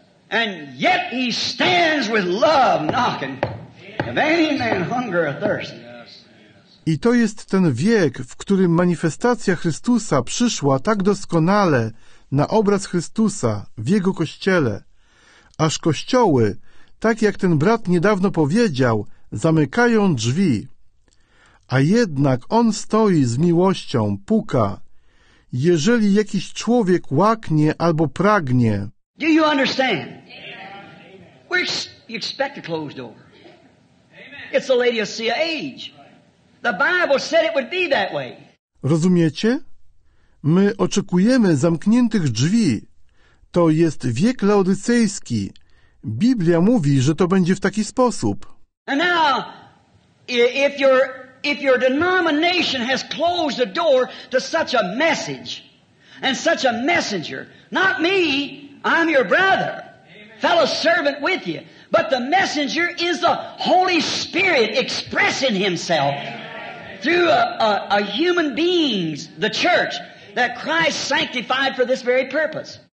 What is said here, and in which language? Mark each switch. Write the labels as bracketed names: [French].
[English] And yet he stands with love knocking. Amen. If any man hunger or thirst. Yes. Yes. [Polish] I to jest ten wiek, w którym manifestacja Chrystusa przyszła tak doskonale na obraz Chrystusa w Jego Kościele, aż kościoły, tak jak ten brat niedawno powiedział, zamykają drzwi. A jednak on stoi z miłością, puka. Jeżeli jakiś człowiek łaknie albo pragnie. [English] Do you understand? Where's you expect a closed door? It's the lady of sea of age. The Bible said it would be that way. [Polish] Rozumiecie? My oczekujemy zamkniętych drzwi. To jest wiek laodycejski. Biblia mówi, że to będzie w taki sposób. [English] And now, if your denomination has closed the door to such a message and such a messenger, not me, I'm your brother, fellow servant with you, but the messenger is the Holy Spirit expressing himself through a human being's, the church, that Christ sanctified for this very purpose.